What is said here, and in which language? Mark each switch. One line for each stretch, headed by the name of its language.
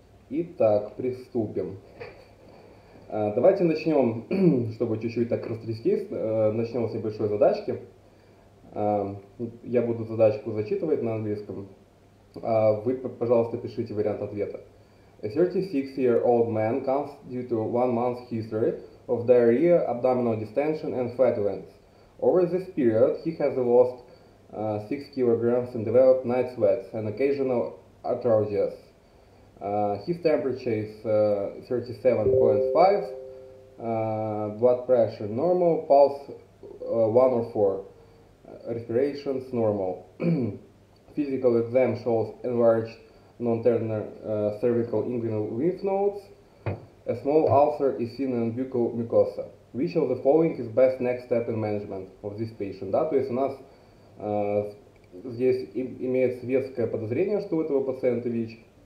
Russian: Итак, приступим. Давайте начнем, чтобы чуть-чуть так растрястись, начнем с небольшой задачки. Я буду задачку зачитывать на английском. Вы, пожалуйста, пишите вариант ответа.
English: A 36-year-old man comes due to one month's history of diarrhea, abdominal distension and fat events. Over this period, he has lost 6 kilograms and developed night sweats and occasional arthralgias. His temperature is 37.5, blood pressure normal, pulse 104, respirations normal. Physical exam shows enlarged non-ternal cervical inguinal lymph nodes. A small ulcer is seen in buccal mucosa. Which of the following is best next step in management of this patient?
Russian: Да, то есть у нас здесь имеется веское подозрение, что у этого пациента ВИЧ.